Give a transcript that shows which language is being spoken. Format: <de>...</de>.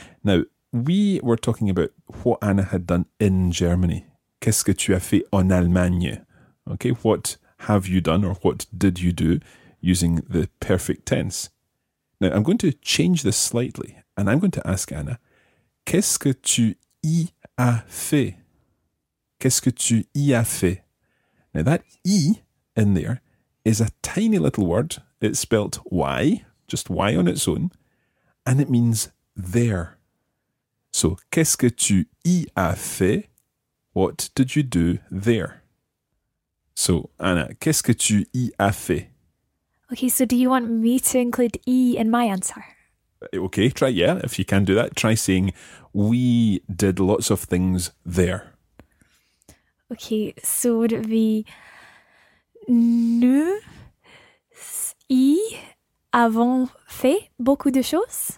<en>Now, we were talking about what Anna had done in Germany.</en> <fr>Qu'est-ce que tu as fait en Allemagne?</fr> <en>Ok, what have you done or what did you do using the perfect tense? Now, I'm going to change this slightly and I'm going to ask Anna,</en> <fr>qu'est-ce que tu y as fait? Qu'est-ce que tu y as fait?</fr> <en>Now, that y in there is a tiny little word. It's spelt Y, just Y on its own, and it means there. So,</en> <fr>qu'est-ce que tu y as fait?</fr> <en>What did you do there?</en> <fr>So, Anna, qu'est-ce que tu y as fait?</fr> <en>Okay, so do you want me to include E in my answer? Okay, try, yeah, if you can do that. Try saying, we did lots of things there. Okay, so would it be</en> <fr>nous y avons fait beaucoup de choses?</fr>